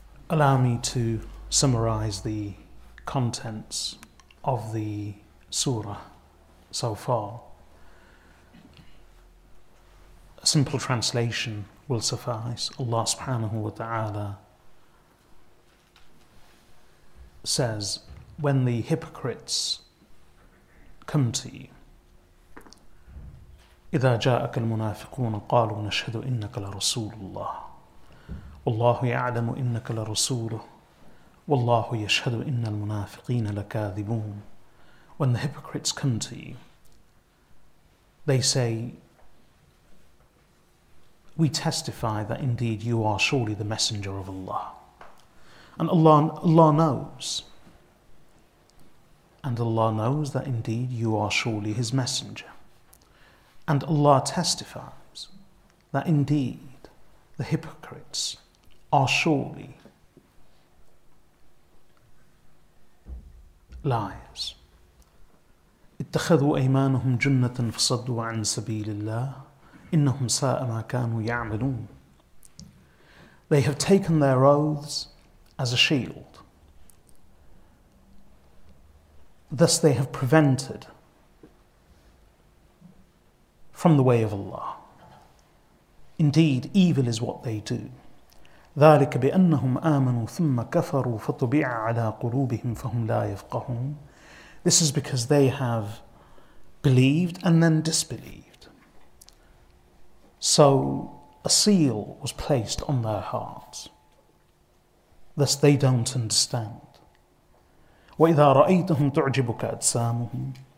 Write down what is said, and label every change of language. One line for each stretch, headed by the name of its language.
English: Allow me to summarize the contents of the surah so far. A simple translation will suffice. Allah subhanahu wa ta'ala says, when the hypocrites come to you,
Arabic: إِذَا جَاءَكَ الْمُنَافِقُونَ قَالُوا نَشْهَدُ إِنَّكَ لَرَسُولُ اللَّهِ وَاللَّهُ يَعْلَمُ إِنَّكَ لَرَسُولُهُ وَاللَّهُ يَشْهَدُ إِنَّ الْمُنَافِقِينَ لَكَاذِبُونَ.
English: When the hypocrites come to you, they say, we testify that indeed you are surely the messenger of Allah. And Allah knows. And Allah knows that indeed you are surely his messenger. And Allah testifies that indeed the hypocrites are surely liars.
Arabic: اتخذوا أيمانهم جنة فصدوا عن سبيل الله إنهم ساء ما كانوا يعملون.
English: They have taken their oaths as a shield. Thus they have prevented from the way of Allah. Indeed, evil is what they do.
Arabic: ذلك بأنهم آمنوا ثم كفروا فطبع على قلوبهم فهم لا يفقهون.
English: This is because they have believed and then disbelieved. So a seal was placed on their hearts. Thus they don't understand.
Arabic: وَإِذَا رَأَيْتَهُمْ تُعْجِبُكَ أَجْسَامُهُمْ.